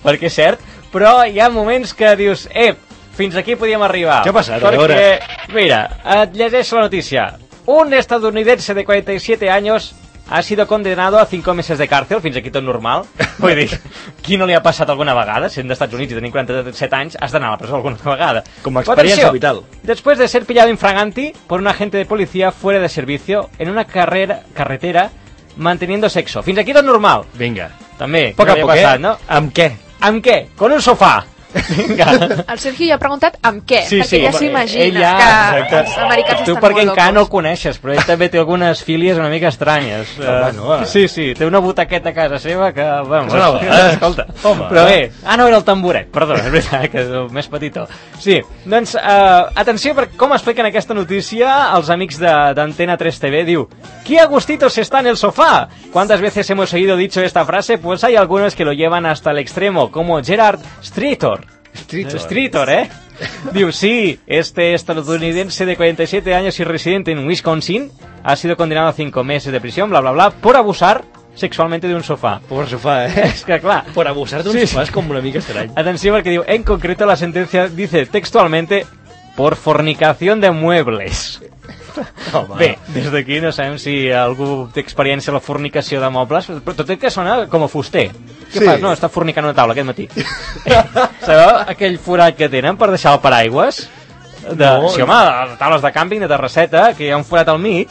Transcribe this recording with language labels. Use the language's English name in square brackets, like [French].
[Catalan] Perquè és cert, però hi ha moments que dius, fins aquí podíem arribar. Què ha passat? Perquè, mira, et llegeixo la notícia. [Spanish] Un estadounidense de 47 anys ha sido condenado a 5 meses de cárcel, [Catalan] fins aquí tot normal. Vull dir, qui no li ha passat alguna vegada, sent d'Estats Units i tenint 47 anys, has d'anar a la presó alguna vegada. Com a experiència atenció, vital. [Spanish] Después de ser pillado infraganti por un agente de policía fuera de servicio en una carretera manteniendo sexo. [Catalan] Fins aquí tot normal. Vinga. També. Poc a poc, passat, no? Amb què? Amb què? [Spanish] Con un sofà. [Catalan] Vinga. El Sergio ja ha preguntat amb què, sí, sí, ja s'imagina que els americans estan molt locos. Tu perquè encara no el coneixes, però ell també té algunes fílies una mica estranyes. Sí, té una butaqueta a casa seva que... Bueno, que escolta, home, però bé, no era el tamboret, perdona, és veritat, que és el més petitó. Sí, doncs, atenció, per com expliquen aquesta notícia els amics d'Antena 3 TV, diu... [Spanish] ¿Qué agustito se está en el sofá? ¿Cuántas veces hemos oído dicho esta frase? Pues hay algunos que lo llevan hasta el extremo, como Gerard Streeter. Streeter, ¿eh? [Catalan] Diu, sí, [Spanish] este estadounidense de 47 años y residente en Wisconsin ha sido condenado a 5 meses de prisión, bla, bla, bla, por abusar sexualmente d'un sofà. Por sofà, eh? [Catalan] És que clar... [Spanish] Por abusar [Catalan] d'un sofà és com una mica estrany. Atenció perquè diu, [Spanish] en concreto la sentencia dice textualmente por fornicación de muebles. [Catalan] Home. Bé, des d'aquí no sabem si algú té experiència en la fornicació de mobles, però tot el que sona com a fuster. Què sí. Fas? No, està fornicant una taula aquest matí. Sabeu aquell forat que tenen per deixar el paraigües? De, no. Sí, home, de taules de càmping, de terrasseta, que hi ha un forat al mig.